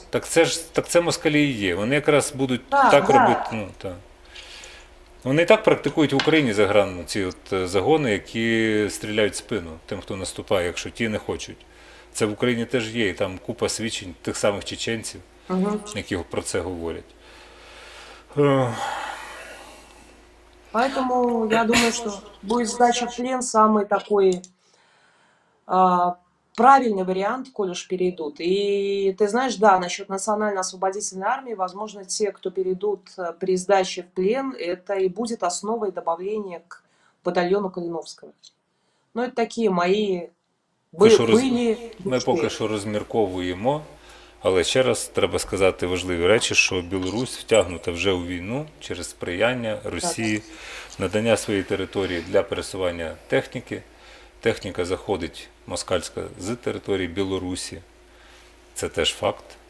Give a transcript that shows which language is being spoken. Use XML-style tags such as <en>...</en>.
<uk>Так це ж так це москалі і є. Вони якраз будуть так, так робити. Ну, так. Вони і так практикують в Україні загран ці от загони, які стріляють спину тим, хто наступає, якщо ті не хочуть. Це в Україні теж є, і там купа свідчень тих самих чеченців, які про це говорять.</uk> <ru>Поэтому я думаю, что будет сдача в плен самый такой правильный вариант, коль уж перейдут. И ты знаешь, да, насчет национально-освободительной армии, возможно, те, кто перейдут при сдаче в плен, это и будет основой добавления к батальону Калиновского. Ну, это такие мои были... Мы пока что размерковываем,</ru> <uk>але ще раз треба сказати важливі речі, що Білорусь втягнута вже у війну через сприяння Росії, надання своєї території для пересування техніки. Техніка заходить москальська з території Білорусі. Це теж факт.</uk>